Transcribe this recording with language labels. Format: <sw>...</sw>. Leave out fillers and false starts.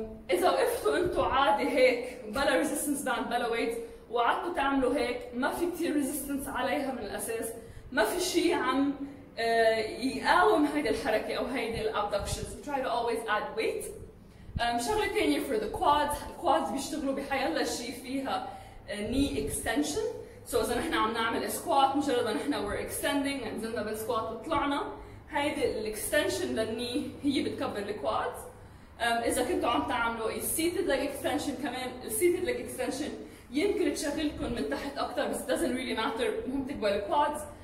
<ar>إذا وقفتوا أنتم عادي هيك بلا resistance band بلا weight وعدتوا تعملوا هيك ما في كتير resistance عليها من الأساس ما في شيء عم يقاوم هيدي الحركة أو هيدي الابدكشن.</ar> <en>So try to always add weight.</en> <ar>شغلة تانية</ar> <en>for the quads.</en> <ar>Quads بيشتغلوا بحيلا شيء فيها knee extension. So إذا نحن عم نعمل squat مجرد نحن</ar> <en>we're extending</en> <ar>نزلنا بالسكوات وطلعنا هيدي الاكستنشن للني هي بتكبر الكوادز. إذا كنتوا عم تعملوا seated leg extension كمان seated leg extension يمكن تشغلكم من تحت أكثر بس</ar> <en>doesn't really matter</en> <ar>مهم تكبر الكوادز.</ar>